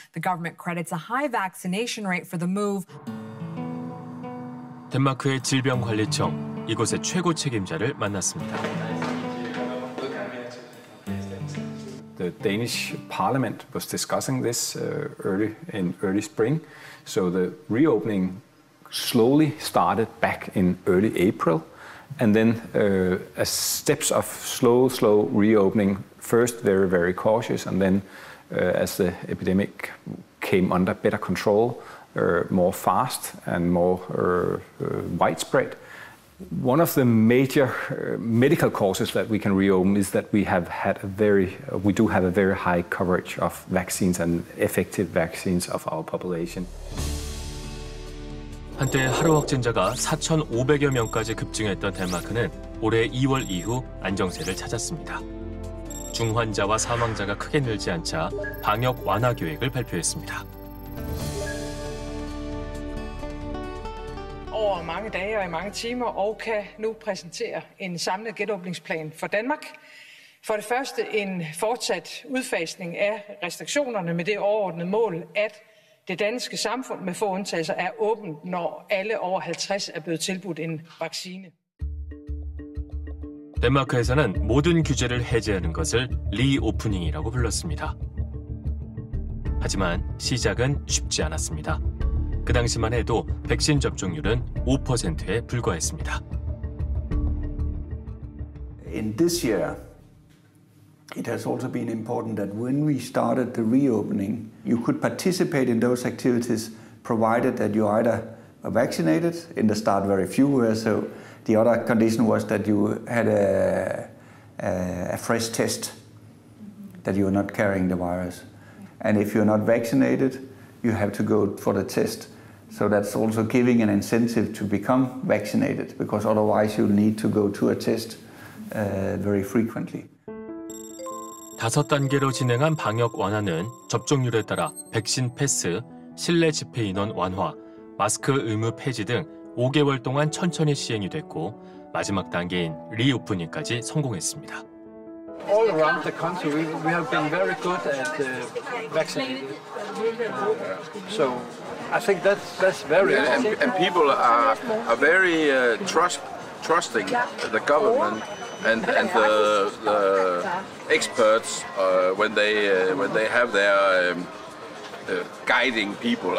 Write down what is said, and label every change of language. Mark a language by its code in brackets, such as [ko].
[en] The government credits a high vaccination rate for the move. [ko] 덴마크의 질병관리청, 이곳의 최고 책임자를 만났습니다. [en] The Danish parliament was discussing this early spring. So the reopening slowly started back in early April. And then a steps of slow reopening, first very, very cautious. And then as the epidemic came under better control, more fast and more widespread. One of the major medical causes that we can reopen is that we do have a very high coverage of vaccines and effective vaccines of our population. [ko] 한때 하루 확진자가 4,500여 명까지 급증했던 덴마크는 올해 2월 이후 안정세를 찾았습니다. 중환자와 사망자가 크게 늘지 않자 방역 완화 계획을 발표했습니다. 많은 [da] dage og i mange timer og kan nu præsentere en samlet genåbningsplan for Danmark. For det første en fortsat udfasning af restriktionerne med det overordnede mål, at det danske samfund med få undtagelser er åbent, når alle over 50 er blevet tilbudt en vaccine. [ko] Danmark에서는 모든 규제를 해제하는 것을 리오프닝이라고 불렀습니다. 하지만 시작은 쉽지 않았습니다. 그 당시만 해도 백신 접종률은 5%에 불과했습니다. [en] In this year, it has also been important that when we started the reopening, you could participate in those activities provided that you either were vaccinated. In the start, very few were, so the other condition was that you had a fresh test that you were not carrying the virus. And if you're not vaccinated, you have to go for the test. So that's also giving an incentive to become vaccinated, because otherwise you'll need to go to a test very frequently. [ko] 다섯 단계로 진행한 방역 완화는 접종률에 따라 백신 패스, 실내 집회 인원 완화, 마스크 의무 폐지 등 5개월 동안 천천히 시행이 됐고 마지막 단계인 리오프닝까지 성공했습니다. [en] All around the country, we have been very good at vaccinating. So. I think that's very important. And people are very trusting the government and the experts when they have their guiding people.